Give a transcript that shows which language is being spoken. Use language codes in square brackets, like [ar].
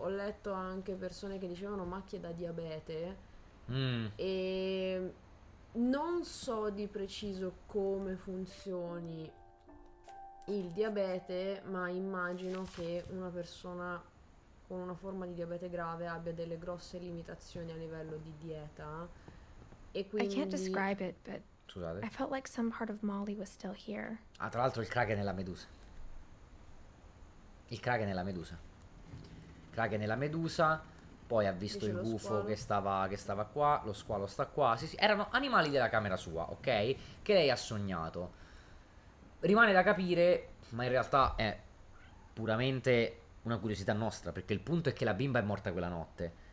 [it] Ho letto anche persone che dicevano macchie da diabete. E... non so di preciso come funzioni il diabete, ma immagino che una persona con una forma di diabete grave abbia delle grosse limitazioni a livello di dieta. E quindi... [en] I can't describe it, but I felt like some part of Molly was still here. [it] Ah, tra l'altro il kraken è la medusa. Il kraken è la medusa. Kraken è la medusa. Poi ha visto il gufo che stava qua, lo squalo sta qua, sì, erano animali della camera sua, ok? Che lei ha sognato. Rimane da capire, ma in realtà è puramente una curiosità nostra, perché il punto è che la bimba è morta quella notte.